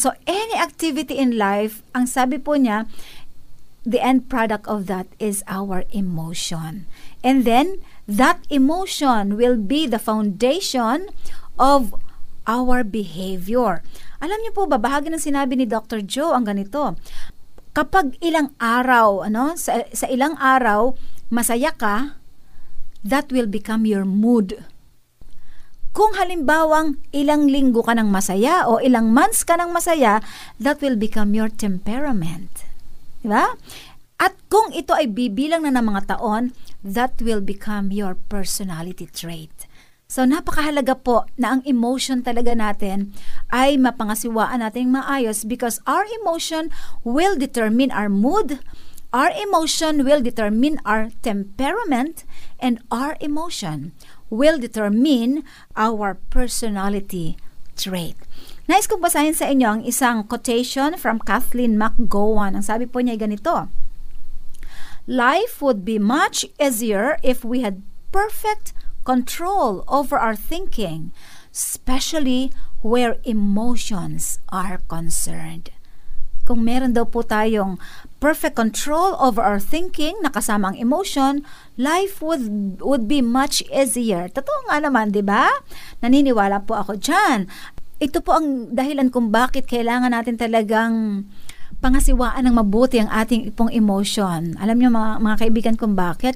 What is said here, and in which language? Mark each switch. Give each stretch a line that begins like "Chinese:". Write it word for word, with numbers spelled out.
English: So, any activity in life,
Filipino: ang sabi po niya,
English: the end product of that is our emotion. And then, that emotion will be the foundation of our behavior.
Filipino: Alam niyo po ba, bahagi ng sinabi ni Doctor Joe ang ganito. Kapag ilang araw, ano, sa, sa ilang araw, masaya ka,
English: that will become your mood.
Filipino: Kung halimbawang ilang linggo ka ng masaya o ilang months ka ng masaya,
English: that will become your temperament.
Filipino: Diba? At kung ito ay bibilang na ng mga taon,
English: that will become your personality trait. So,
Filipino: napakahalaga po na ang emotion talaga natin ay mapangasiwaan natin maayos
English: because our emotion will determine our mood, our emotion will determine our temperament, and our emotion will determine our personality trait.
Filipino: Nais kong basahin sa inyo ang isang quotation from Kathleen McGowan. Ang sabi po niya ganito,
English: "Life would be much easier if we had perfect control over our thinking, especially where emotions are concerned."
Filipino: Kung meron daw po tayong
English: perfect control over our thinking,
Filipino: nakasama ang emotion,
English: life would would be much easier.
Filipino: Totoo nga naman, di ba? Naniniwala po ako dyan. Ito po ang dahilan kung bakit kailangan natin talagang pangasiwaan ng mabuti ang ating ipong emotion. Alam niyo mga, mga kaibigan kung bakit?